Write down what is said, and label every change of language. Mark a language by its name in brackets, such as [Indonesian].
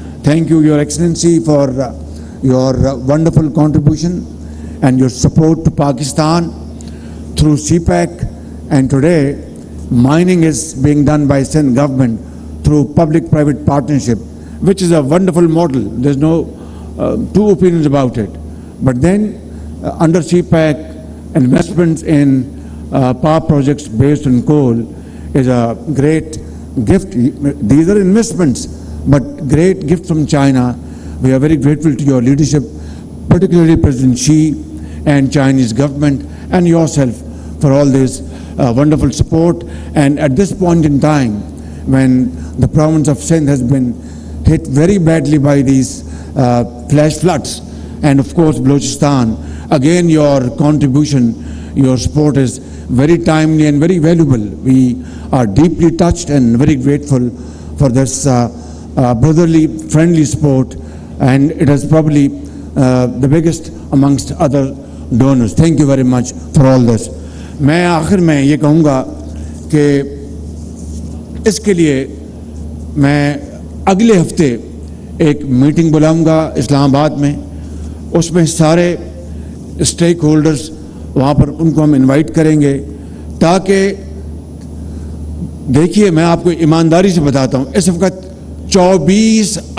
[Urdu] Thank you your excellency for your wonderful contribution and your support to Pakistan through C pack and today mining is being done by Sindh government through public private partnership [English] which is a wonderful model, there is no two opinions about it, but then under CPAC investments in power projects based on coal is a great gift. These are investments but great gift from China. We are very grateful to your leadership, particularly President Xi and Chinese government and yourself for all this wonderful support. And at this point in time when the province of Sindh has been hit very badly by these flash floods and of course Balochistan, again your contribution, your support is very timely and very valuable. We are deeply touched and very grateful for this brotherly friendly support, and it is probably the biggest amongst other donors. Thank you very much for all this. [Urdu] Main aakhir mein ye kahunga ke iske liye main اگلے ہفتے ایک meeting بلاؤں گا اسلام آباد میں, اس میں سارے stake holders وہاں پر ان کو ہم انوائٹ کریں گے, تاکہ دیکھیے میں آپ کو ایمانداری سے بتاتا ہوں, اس وقت $24